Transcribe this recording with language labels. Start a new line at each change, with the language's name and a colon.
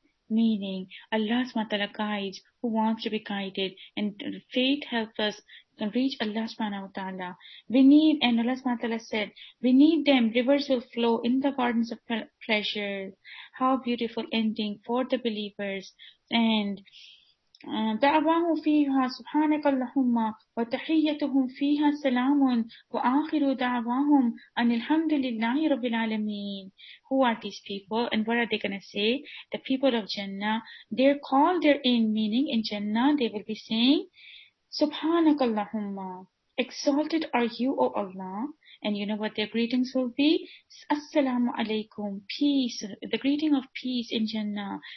English: meaning Allah subhanahu wa ta'ala guides who wants to be guided, and faith helps us reach Allah subhanahu wa ta'ala. We need, and Allah subhanahu wa ta'ala said, we need them, rivers will flow in the gardens of pleasure. How beautiful ending for the believers. And
Arabic: دعواهم فيها سبحانك اللهم وتحيتهم فيها سلام وآخر دعواهم أن الحمد لله رب العالمين.
English: Who are these people and what are they going to say? The people of Jannah, they're called therein, meaning in Jannah they will be saying
Arabic: سبحانك اللهم,
English: exalted are you, O Allah. And you know what their greetings will be? Assalamu alaikum, peace, the greeting of peace in Jannah.